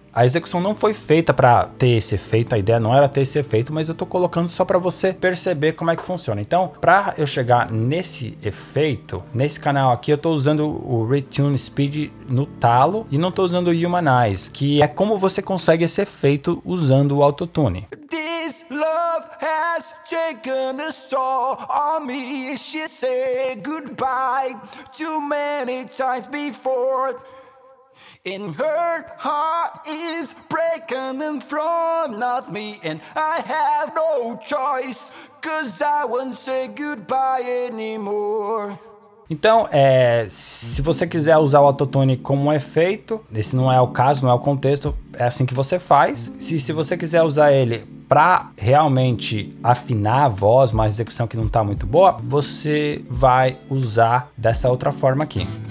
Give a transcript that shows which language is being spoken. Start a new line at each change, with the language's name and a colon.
Portuguese: A execução não foi feita para ter esse efeito, a ideia não era ter esse efeito, mas eu tô colocando só para você perceber como é que funciona. Então, para eu chegar nesse efeito, nesse canal aqui, eu tô usando o Retune Speed no talo e não tô usando o Humanize, que é como você consegue esse efeito usando o autotune.
English: This love has taken a toll on me. She said goodbye too many times before. And her heart is breaking in front of me, and I have no choice, 'cause I won't say goodbye anymore.
Portuguese: Então, se você quiser usar o autotune como um efeito, esse não é o caso, não é o contexto, é assim que você faz. Se você quiser usar ele para realmente afinar a voz, uma execução que não tá muito boa, você vai usar dessa outra forma aqui.